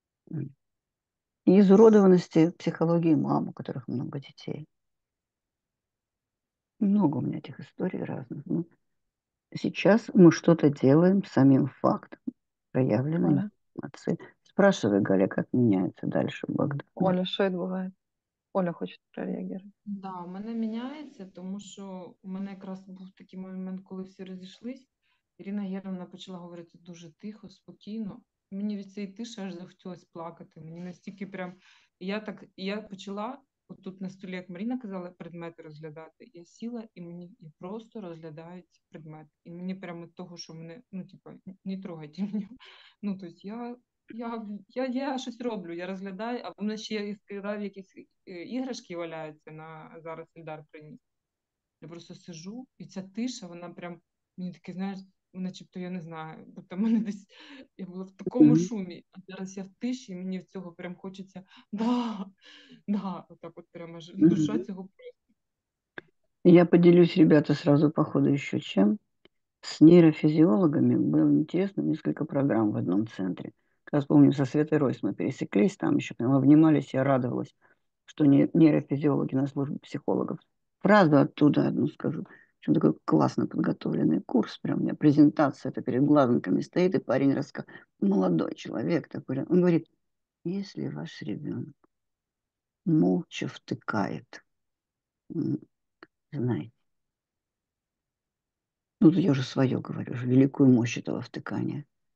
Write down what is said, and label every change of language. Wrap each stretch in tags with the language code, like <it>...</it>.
<ru>И изуродованности психологии мам, у которых много детей. Много у меня этих историй разных. Но сейчас мы что-то делаем с самим фактом, проявленной информации. Спрашивай, Галя, как меняется дальше Богдан. Оля, что это бывает? Оля</ru> <uk>хоче прореагувати. Да, у мене міняється, тому що у мене якраз був такий момент, коли всі розійшлись. Ірина Гервна почала говорити дуже тихо, спокійно. Мені від цієї тиші аж захотілося плакати. Мені настільки прям. Я почала отут на столі, як Маріна казала, предмети розглядати. Я сіла і мені і просто розглядають предмет. І мені прямо від того, що мене, ну, типу, не трогайте мені. Ну, тобто я щось роблю, я розглядаю, а в мене ще яскраві якісь іграшки валяються на зараз Ільдар приніс. Я просто сижу, і ця тиша, вона прям мені таке, знаєш, начебто я не знаю. Тобто мене десь я була в такому шумі, а зараз я в тиші, і мені в цього прям хочеться. Да, отак от прямо ж душа цього просить. Я поділюсь, ребята, сразу по ходу ще чим.</uk> <ru>С нейрофизиологами было интересно несколько программ в одном центре. Как раз помню, со Светой Ройс мы пересеклись, там еще прямо обнимались, я радовалась, что нейрофизиологи на службе психологов. Правда, оттуда одну скажу. Причем такой классно подготовленный курс, прям у меня презентация это перед глазенками стоит, и парень рассказывает, молодой человек такой, он говорит, если ваш ребенок молча втыкает, знаете, ну, я уже свое говорю, уже великую мощь этого втыкания.</ru>